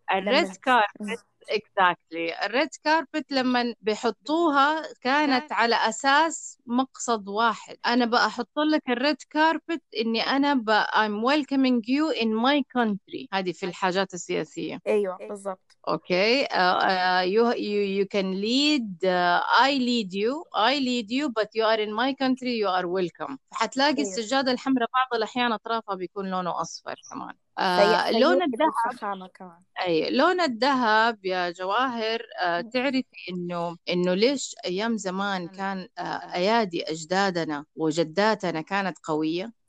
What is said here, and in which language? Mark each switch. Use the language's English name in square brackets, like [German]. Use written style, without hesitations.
[Arabic] الريد كاربت [English] exactly. [Arabic] الريد كاربت لما بيحطوها كانت على أساس مقصد واحد، أنا بأحط لك الريد كاربت إني أنا [English] I'm welcoming you in my country، [Arabic] هذه في الحاجات السياسية. أيوة بالضبط. [English] Okay, you can lead, I lead you, but you are in my country, you are welcome. [Arabic] حتلاقي أيوة. السجادة الحمراء بعض الأحيان أطرافها بيكون لونه أصفر كمان. لون الذهب كمان. أي لون الذهب يا جواهر تعرفي إنه ليش أيام زمان كان أيادي أجدادنا وجداتنا كانت قوية؟